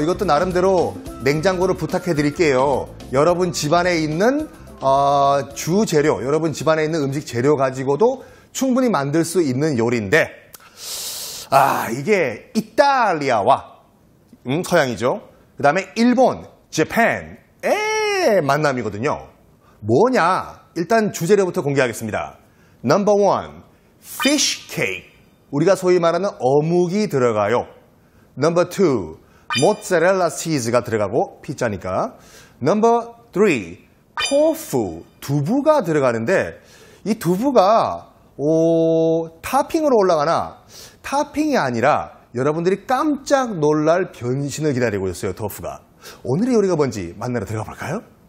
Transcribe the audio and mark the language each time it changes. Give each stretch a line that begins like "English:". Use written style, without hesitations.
Korean: 이것도 나름대로 냉장고를 부탁해드릴게요. 여러분 집안에 있는 주재료, 여러분 집안에 있는 음식 재료 가지고도 충분히 만들 수 있는 요리인데 아 이게 이탈리아와 서양이죠. 그 다음에 일본, 재팬의 만남이거든요. 뭐냐? 일단 주재료부터 공개하겠습니다.
English: Number one, fish cake.
Korean: 우리가 소위 말하는 어묵이 들어가요.
English: Number two, mozzarella cheese가
Korean: 들어가고 피자니까.
English: Number three, tofu,
Korean: 두부가 들어가는데 이 두부가 타핑으로 올라가나 타핑이 아니라 여러분들이 깜짝 놀랄 변신을 기다리고 있어요, 토프가. 오늘의 요리가 뭔지 만나러 들어가 볼까요?